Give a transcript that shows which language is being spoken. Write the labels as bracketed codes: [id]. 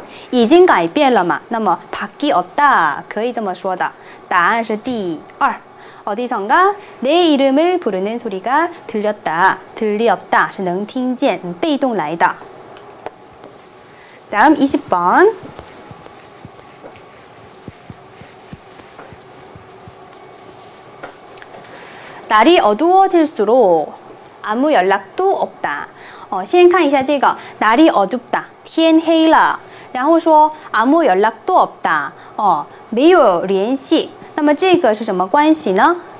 [zh] 已经改变了嘛那么 [ko] 바뀌었다 [zh] 可以这么说的答案是第二 [ko] 어디선가내 이름을 부르는 소리가 들렸다들렸다 [zh] 是能听见被动来的 [ko] 다음 20번 날이 어두워질수록 아무 연락도 없다. [zh] 先看一下这个 [ko] 날이 어둡다. [zh] 天黑了.然后说 [ko] 아무 연락도 없다. [zh] 没有联系.那么这个是什么关系呢?